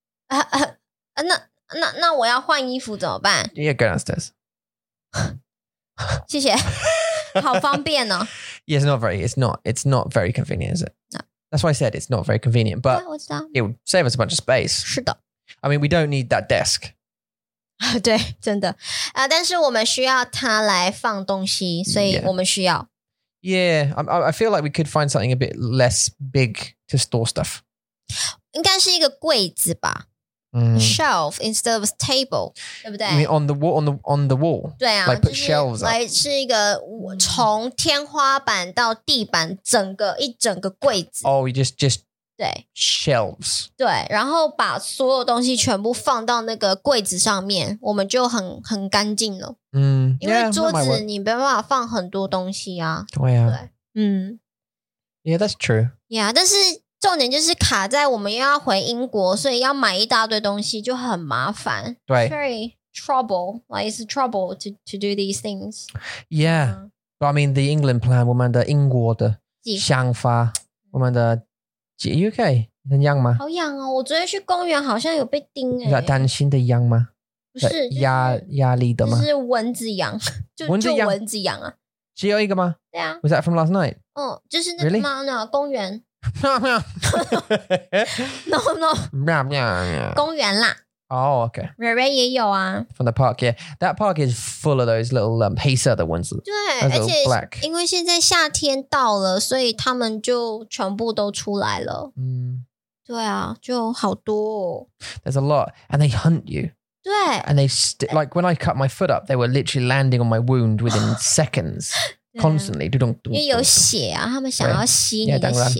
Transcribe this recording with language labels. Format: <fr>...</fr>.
<zh>那我要换衣服怎么办?</zh> <en>Yeah, go downstairs.</en> <zh>谢谢。好方便哦。</zh> <en>Yeah, it's not very convenient, is it? No. That's why I said it's not very convenient, but it would save us a bunch of space.</en> <zh>是的。</zh> <en>I mean, we don't need that desk.</en> <zh>对真的。但是我们需要它来放东西所以我们需要。</zh> <en>Yeah, I feel like we could find something a bit less big to store stuff.</en> <zh>应该是一个柜子吧。</zh> <en>Shelf instead of a table,</en> <zh>对不对</zh> <en>you mean on the wall?</en> <zh>对啊。</zh> <en>Like put shelves up.</en> <zh>来是一个从天花板到地板整个一整个柜子。</zh> <en>Oh, you just...</en> <zh>对</zh> <en>shelves</en> <zh>对然后把所有东西全部放到那个柜子上面我们就很干净了因为桌子</zh> <en>yeah,</en> <zh>你没办法放很多东西啊对啊对</zh> <en>Yeah, that's true</en> <zh>Yeah, 但是重点就是卡在我们又要回英国所以要买一大堆东西就很麻烦对</zh> <en>It's very trouble Like it's a trouble to do these things Yeah, but I mean the England plan</en> <zh>我们的英国的想法我们的</zh> <en>Are you okay?</en> <zh>很痒吗？好痒哦！我昨天去公园，好像有被叮哎。是担心的痒吗？不是，压力的吗？是蚊子痒，就蚊子痒啊。只有一个吗？对啊。</zh> <en>Was that from last night?</en> <zh>就是那个吗？那公园。喵喵。</zh> <en>No no。喵喵。</en> <zh>公园啦。</zh> <en>Oh, okay.</en> <zh>Reray 也有啊。</zh> <en>From the park, yeah. That park is full of those little</en> <zh>黑色的蚊子。对，而且</zh> <en>black.</en> <zh>因为现在夏天到了，所以他们就全部都出来了。嗯、mm.。对啊，就好多哦。</zh> <en>There's a lot, and they hunt you.</en> <zh>对。</zh> <en>And they, like when I cut my foot up, they were literally landing on my wound within seconds, constantly.</en> <zh>因为有血啊，他们想要吸你的血。</zh>